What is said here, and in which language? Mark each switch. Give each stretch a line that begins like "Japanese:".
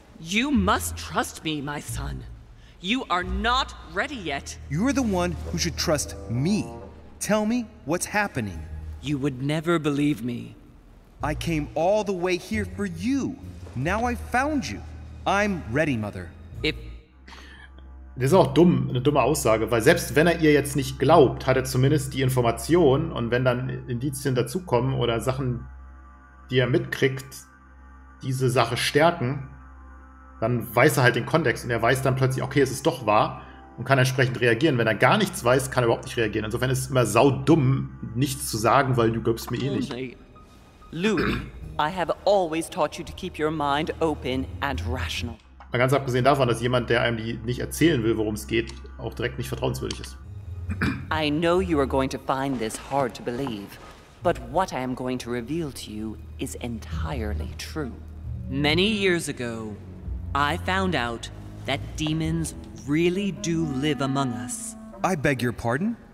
English: You must trust me, my son. You are not ready yet. You're the one who should trust me. Tell me what's happening. You would never believe me. I came all the way here for you. Now I found you. I'm ready, Mother. If...
German: Das ist auch dumm, eine dumme Aussage, weil selbst wenn er ihr jetzt nicht glaubt, hat er zumindest die Information und wenn dann Indizien dazukommen oder Sachen, die er mitkriegt, diese Sache stärken, dann weiß er halt den Kontext und er weiß dann plötzlich, okay, es ist doch wahr und kann entsprechend reagieren. Wenn er gar nichts weiß, kann er überhaupt nicht reagieren. Insofern ist es immer saudumm, nichts zu sagen, weil du glaubst mir eh nicht.
English: Louis, I have always taught you to keep your mind open and rational.
German: Mal ganz abgesehen davon, dass jemand, der einem die nicht erzählen will, worum es geht, auch direkt nicht vertrauenswürdig ist.
English: I know you are going to find this hard to believe, but what I am going to reveal to you is entirely true. Many years ago, I found out that demons really do live among us. I beg your pardon?